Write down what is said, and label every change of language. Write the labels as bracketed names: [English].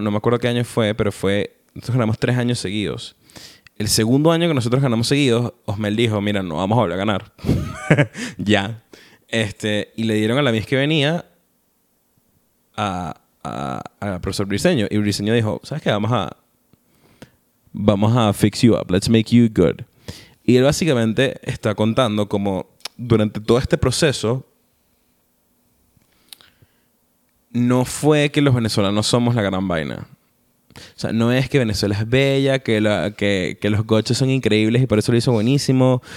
[Spanish] No me acuerdo qué año fue, pero fue... Nosotros ganamos 3 años seguidos. El segundo año que nosotros ganamos seguidos, Osmel dijo, mira, no vamos a volver a ganar. Ya. Y le dieron a la Mies que venía a... A profesor Briceño, y Briceño dijo, ¿sabes qué? Vamos a [English] fix you up, let's make you good. [Spanish] Y él básicamente está contando como durante todo este proceso no fue que los venezolanos somos la gran vaina. O sea, no es que Venezuela es bella, que los gochos son increíbles y por eso lo hizo buenísimo.